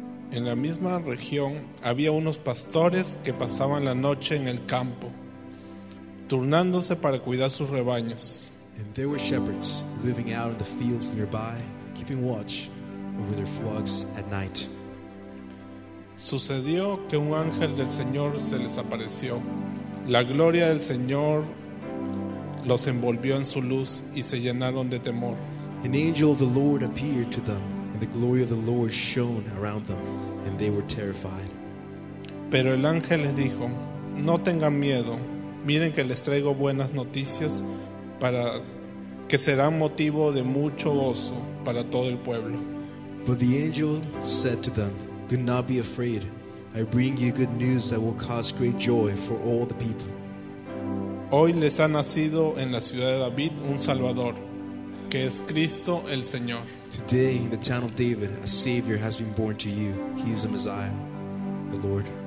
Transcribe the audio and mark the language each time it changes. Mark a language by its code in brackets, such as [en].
[es] En la misma región había unos pastores que pasaban la noche en el campo, turnándose para cuidar sus rebaños. [en] And there were shepherds living out in the fields nearby, keeping watch over their flocks at night. [es] Sucedió que un ángel del Señor se les apareció. La gloria del Señor los envolvió en su luz y se llenaron de temor. [en] An angel of the Lord appeared to them, and the glory of the Lord shone around them, and they were terrified. [es] Pero el ángel les dijo, no tengan miedo. Miren que les traigo buenas noticias para que serán motivo de mucho gozo para todo el pueblo. [en] But the angel said to them, do not be afraid. I bring you good news that will cause great joy for all the people. [es] Hoy les ha nacido en la ciudad de David un Salvador, que es Cristo el Señor. [en] Today in the town of David, a Savior has been born to you. He is the Messiah, the Lord.